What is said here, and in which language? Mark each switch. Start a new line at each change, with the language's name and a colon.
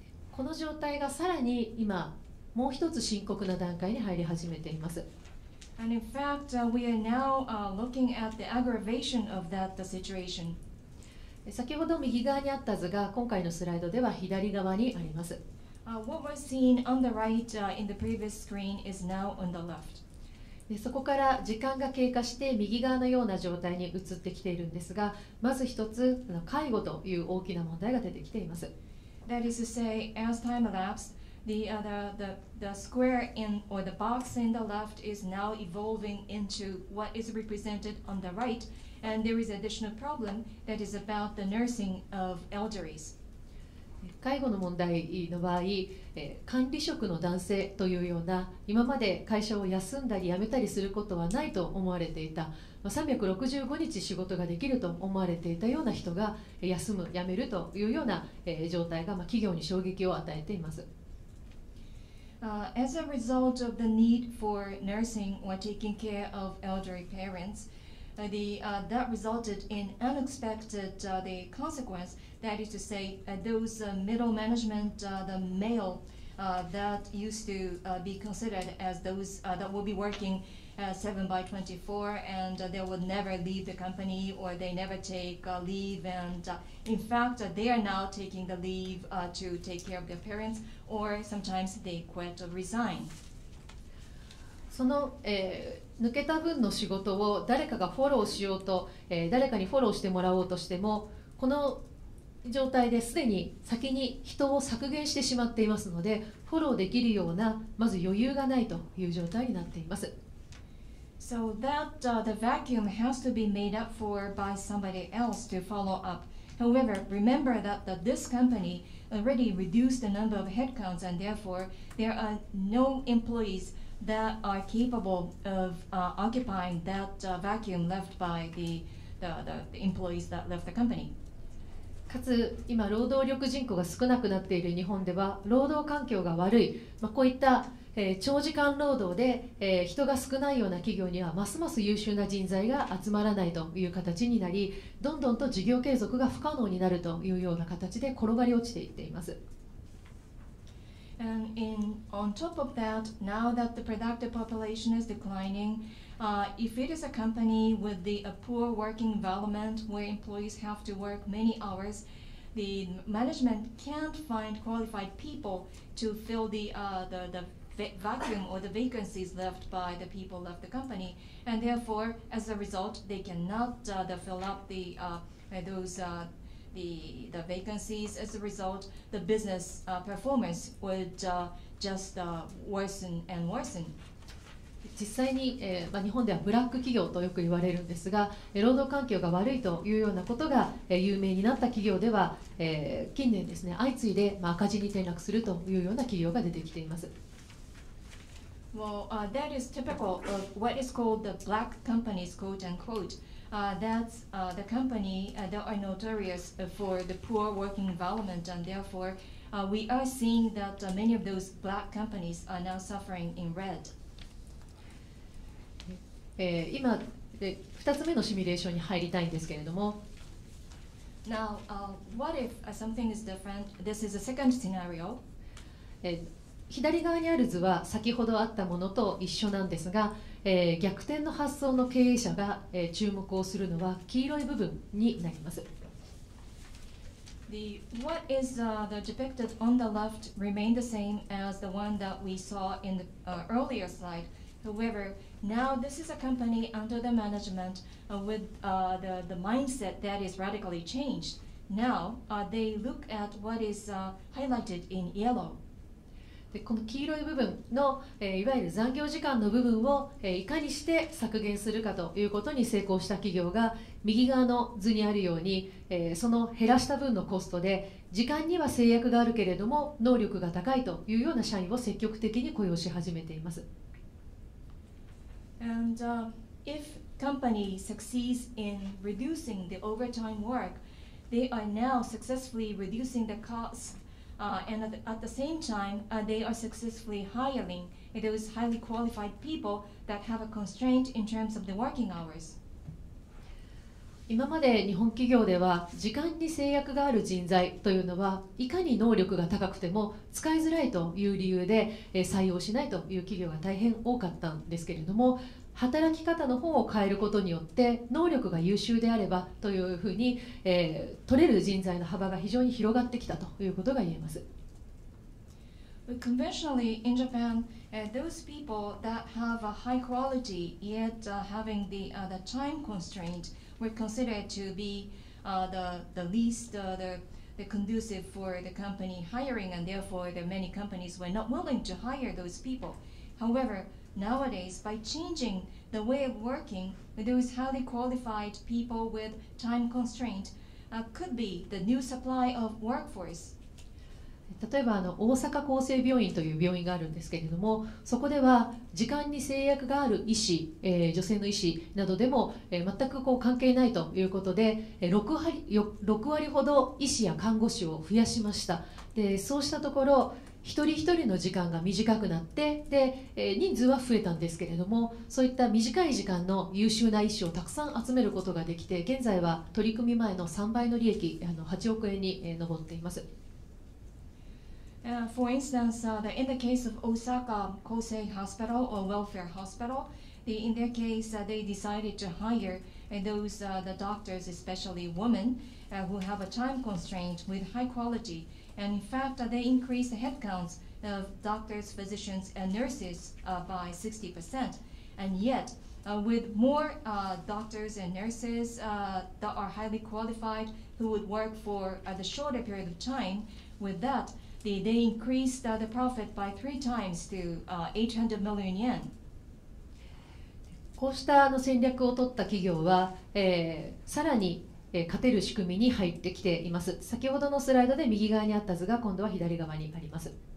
Japanese: この状態がさらに今もう一つ深刻な段階に入り始めています。
English: And in fact, we are now looking at the aggravation of that situation.
Japanese: 先ほど右側にあった図が今回のスライドでは左側にあります。
English: What was seen on the right in the previous screen is now on the left.
Japanese: でそこから時間が経過して右側のような状態に移ってきているんですが、まず一つ介護という大きな問題が出てきています。
English: That is to say, as time elapsed, the square in or the box in the left is now evolving into what is represented on the right, and there is additional problem that is about the nursing of elderly.
Japanese: 介護の問題の場合、管理職の男性というような今まで会社を休んだり辞めたりすることはないと思われていた、365日仕事ができると思われていたような人が休む、辞めるというような状態が企業に衝撃を与えています。
English: As a result of the need for nursing or taking care of elderly parents, that resulted in unexpected the consequenceThat is to say, those middle management, the male that used to be considered as those that will be working 7/24 and they will never leave the company or they never take leave. And in fact, they are now taking the leave to take care of their parents or sometimes they quit or resign.
Japanese: その、抜けた分の仕事を誰かがフォローしようと、誰かにフォローしてもらおうとしても、この状態ですでに先に人を削減してしまっていますので、フォローできるようなまず余裕がないという状態になっています。
English: So that the vacuum has to be made up for by somebody else to follow up. However, remember that this company already reduced the number of headcounts and therefore there are no employees that are capable of occupying that vacuum left by the employees that left the company.
Japanese: かつ今労働力人口が少なくなっている日本では労働環境が悪い、こういった長時間労働で人が少ないような企業にはますます優秀な人材が集まらないという形になり、どんどんと事業継続が不可能になるというような形で転がり落ちていっています。
English: And in, on top of that, now that the productive population is declining, if it is a company with a poor working environment where employees have to work many hours, the management can't find qualified people to fill the vacuum or the vacancies left by the people left the company. And therefore, as a result, they cannot fill up the vacancies. As a result, the business performance would worsen and worsen.
Japanese: 実際に、日本ではブラック企業とよく言われるんですが、労働環境が悪いというようなことが、有名になった企業では、近年ですね、相次いで、赤字に転落するというような企業が出てきています。
English: Well, that is typical of what is called the black companies, quote unquote. That's the company that are notorious for the poor working environment, and therefore, we are seeing that many of those black companies are now suffering in red.
Japanese: 今2つ目のシミュレーションに入りたいんですけれども、
English: Now, what if something is different? This is a second scenario.
Japanese: 左側にある図は先ほどあったものと一緒なんですが、逆転の発想の経営者が注目をするのは黄色い部分になります。
English: What is the depicted on the left remain the same as the one that we saw in the earlier slide. HoweverNow, this is a company under the management with the mindset that is radically changed. Now, they look at what is highlighted in yellow.
Japanese: で、この黄色い部分の、いわゆる残業時間の部分を、いかにして削減するかということに成功した企業が、右側の図にあるように、その減らした分のコストで、時間には制約があるけれども、能力が高いというような社員を積極的に雇用し始めています。
English: And if company succeeds in reducing the overtime work, they are now successfully reducing the cost, and at the same time, they are successfully hiring those highly qualified people that have a constraint in terms of the working hours.
Japanese: 今まで日本企業では時間に制約がある人材というのはいかに能力が高くても使いづらいという理由で採用しないという企業が大変多かったんですけれども、働き方の方を変えることによって能力が優秀であればというふうに、取れる人材の幅が非常に広がってきたということが言えます。
English: Conventionally, in Japan, those people that have a high quality yet having the time constraint were considered to be the least conducive for the company hiring, and therefore the many companies were not willing to hire those people. However, nowadays, by changing the way of working, those highly qualified people with time constraint could be the new supply of workforce.
Japanese: 例えば大阪厚生病院という病院があるんですけれども、そこでは時間に制約がある医師、女性の医師などでも、全くこう関係ないということで、6割ほど医師や看護師を増やしました。でそうしたところ、一人一人の時間が短くなって、で、人数は増えたんですけれども、そういった短い時間の優秀な医師をたくさん集めることができて、現在は取り組み前の3倍の利益、8億円に上っています。
English: For instance, in the case of Osaka Kosei Hospital or Welfare Hospital, in their case, they decided to hire those the doctors, especially women, who have a time constraint with high quality. And in fact, they increased the headcounts of doctors, physicians, and nurses by 60%. And yet, with more doctors and nurses that are highly qualified who would work for the shorter period of time, with that,They increased the profit by three times to 800 million yen.
Japanese: こうした戦略を取った企業は、さらに勝てる仕組みに入ってきています。先ほどのスライドで右側にあった図が今度は左側にあります。